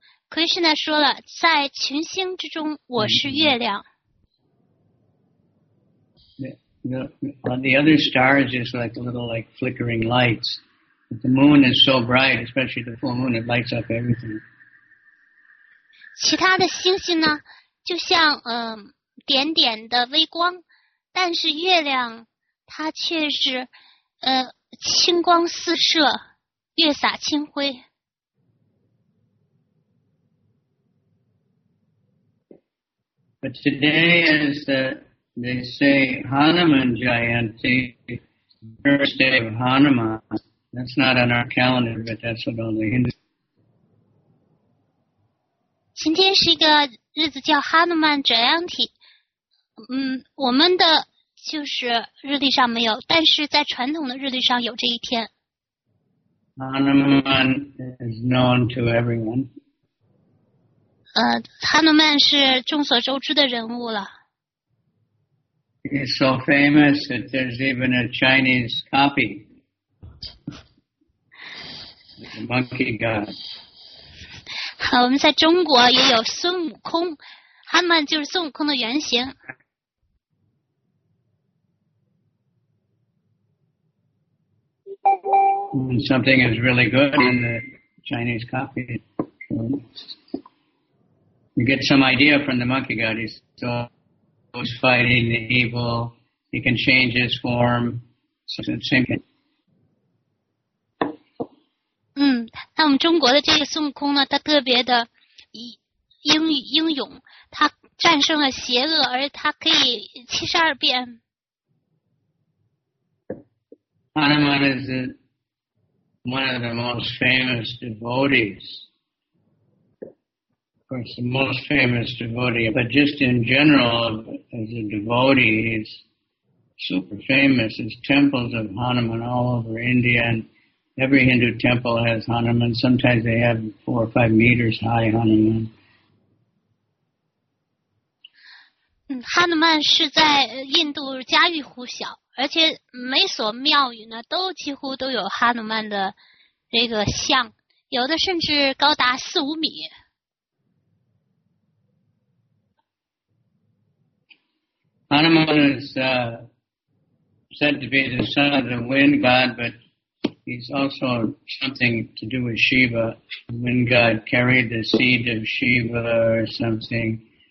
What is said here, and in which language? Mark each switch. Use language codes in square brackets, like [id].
[zh] Krishna 说了，在群星之中，我是月亮。 [en] The other stars just like a little like flickering lights. But the moon is so bright, especially the full moon, it lights up everything. [zh] 其他的星星呢，就像点点的微光，但是月亮它却是清光四射，月洒清辉。 [en] But today is they say Hanuman Jayanti, the first day of Hanuman. That's not on our calendar, but that's what all the Hindus. [zh] 今天是一个日子叫 Hanuman Jayanti。我们的就是日历上没有，但是在传统的日历上有这一天。 [en] Hanuman is known to everyone. [zh] Hanuman 是众所周知的人物了。 [en] He's so famous that there's even a Chinese copy. The monkey god. [zh] 好，我们在中国也有孙悟空，哈曼就是孙悟空的原型。 [en] And something is really good in the Chinese copy. You get some idea from the monkey god. He's always fighting the evil. He can change his form. So it's the same thing. [zh] 那我们中国的这个孙悟空呢，他特别的英勇，他战胜了邪恶，而他可以72变。 [en] Hanuman is one of the most famous devotees. Of course, the most famous devotee, but just in general, as a devotee, he's super famous. There's temples of Hanuman all over India, and every Hindu temple has Hanuman. Sometimes they have 4 or 5 meters high Hanuman. Hanuman is in India, [zh] 家喻户晓。而且每所庙宇呢，都几乎都有哈努曼的这个像，有的甚至高达4-5米。 [en] Hanuman is said to be the son of the wind god, but he's also something to do with Shiva. The wind god carried the seed of Shiva or something.